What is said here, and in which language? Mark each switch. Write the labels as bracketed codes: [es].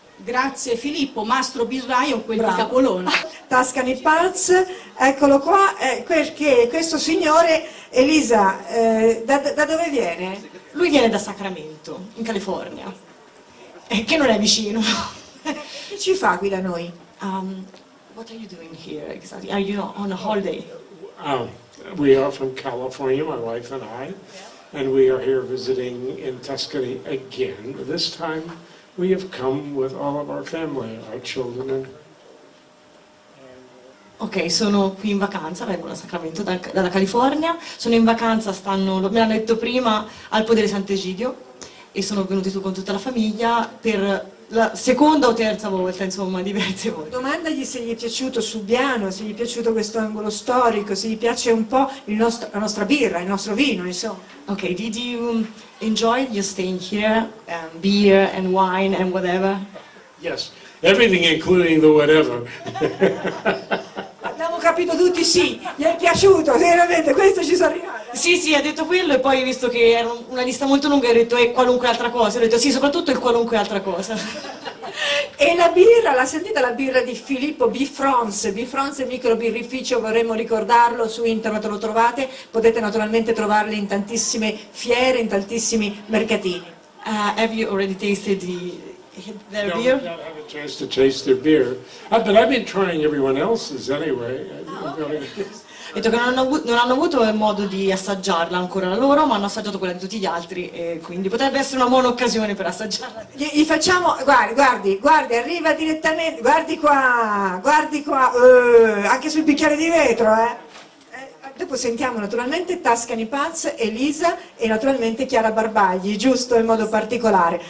[it] Grazie Filippo, mastro birraio, quel di Capolona. Tuscany Pulse, eccolo qua, perché questo signore, Elisa, da dove viene? Lui viene da Sacramento, in California, che non è vicino. Che ci fa qui da noi? [en] What are you doing here exactly? Are you on a holiday? We are from California, my wife and I, and we are here visiting in Tuscany again, this time. We have come with all of our family, our children. [it] Ok, sono qui in vacanza, vengo da Sacramento, dalla California. Sono in vacanza, me l'hanno detto prima, al Podere Sant'Egidio, e sono venuti su con tutta la famiglia per la seconda o terza volta, insomma, diverse volte. Domandagli se gli è piaciuto Subbiano, se gli è piaciuto questo angolo storico, se gli piace un po' la nostra birra, il nostro vino, insomma. [en] Ok, did you enjoy your staying here, beer and wine and whatever? Yes, everything including the whatever. [it] Abbiamo capito tutti, sì, gli è piaciuto, veramente, questo ci sono arrivato. Sì, sì, ha detto quello, e poi visto che era una lista molto lunga, ha detto qualunque altra cosa, ho detto sì, soprattutto il qualunque altra cosa. E la birra, l'ha sentita la birra di Filippo, Bifrance microbirrificio, vorremmo ricordarlo, su internet lo trovate, potete naturalmente trovarle in tantissime fiere, in tantissimi mercatini. [en] Have you already tasted their no, beer? No, not have a chance to taste their beer, but I've been trying everyone else's anyway. [it] Ha detto che non hanno avuto il modo di assaggiarla ancora loro, ma hanno assaggiato quella di tutti gli altri, e quindi potrebbe essere una buona occasione per assaggiarla. Gli facciamo, guardi, arriva direttamente, guardi qua, anche sul bicchiere di vetro, Dopo sentiamo naturalmente Tuscany Pulse, Elisa e naturalmente Chiara Barbagli, giusto, in modo particolare.